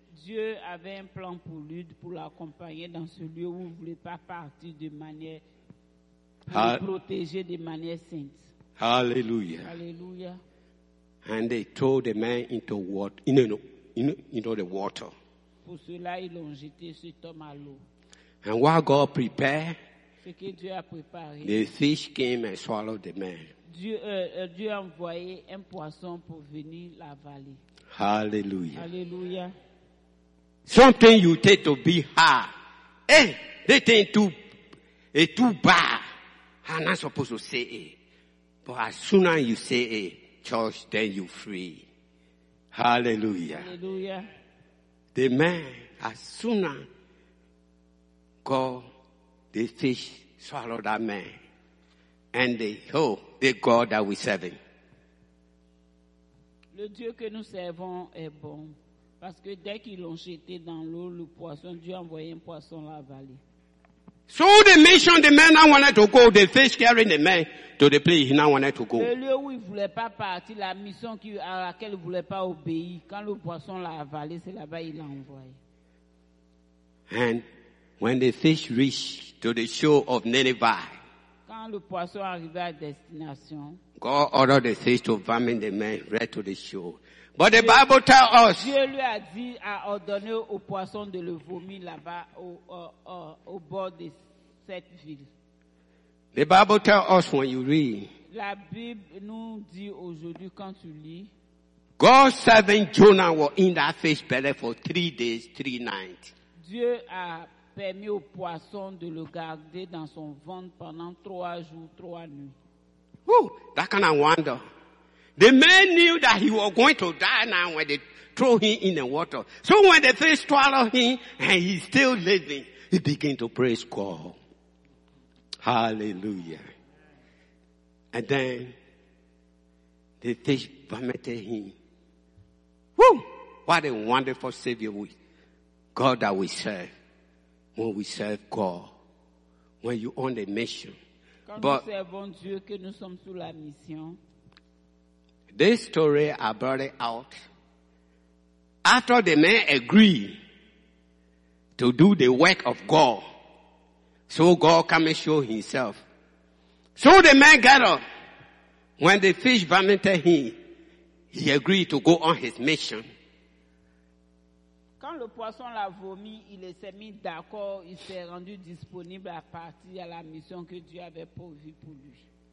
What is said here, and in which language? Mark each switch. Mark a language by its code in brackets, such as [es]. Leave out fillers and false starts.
[fr] Dieu avait un plan pour lui, pour l'accompagner dans ce lieu où il voulait pas partir de manière, pour le protéger de manière sainte. [en] Hallelujah. Hallelujah. And they threw the man into water, into the water. [fr] Pour cela, ils l'ont jeté cet homme à l'eau. [en] And while God prepared, [fr] ce que Dieu a préparé, [en] the fish came and swallowed the man. [fr] Dieu a envoyé un poisson pour venir l'avaler. [en] Hallelujah. Hallelujah. Something you take to be hard. Hey, this thing too bad. I'm not supposed to say it. But as soon as you say it, church, then you free. Hallelujah. Hallelujah. The man, as soon as God, the fish swallowed that man. And the God that we serving. [fr] Le Dieu que nous servons est bon. Parce que dès qu'ils l'ont jeté dans l'eau, le poisson, Dieu a envoyé un poisson l'avaler. [en] So the mission, the man now wanted to go, the fish carrying the man to the place he now wanted to go. [fr] Le lieu où il voulait pas partir, la mission à laquelle il voulait pas obéir, quand le poisson l'a avalé, c'est là-bas il l'a envoyé. [en] And when the fish reached to the shore of Nineveh, [fr] quand le poisson arrivait à destination, [en] God ordered the fish to vomit the man right to the shore. But the Bible tells us, [fr] Dieu lui a dit, a ordonné au poisson de le vomir là-bas au bord de cette ville. [en] The Bible tells us when you read, [fr] la Bible nous dit aujourd'hui quand tu lis, [en] God's servant Jonah was in that fish belly for 3 days, 3 nights. [fr] Dieu a permis au poisson de le garder dans son ventre pendant 3 jours, 3 nuits. [en] Ooh, that kind of wonder. The man knew that he was going to die now when they throw him in the water. So when the fish swallowed him and he's still living, he began to praise God. Hallelujah. And then the fish vomited him. Woo! What a wonderful Savior we, God that we serve. When we serve God. When you're on the mission. [fr] But nous servons Dieu, que nous sommes sous la mission. [en] This story, I brought it out. After the man agreed to do the work of God, so God came and showed himself. So the man got up. When the fish vomited him, he agreed to go on his mission. [fr] Quand le poisson l'a vomi, il s'est mis d'accord, il s'est rendu disponible à partir à la mission que Dieu avait pourvu pour lui.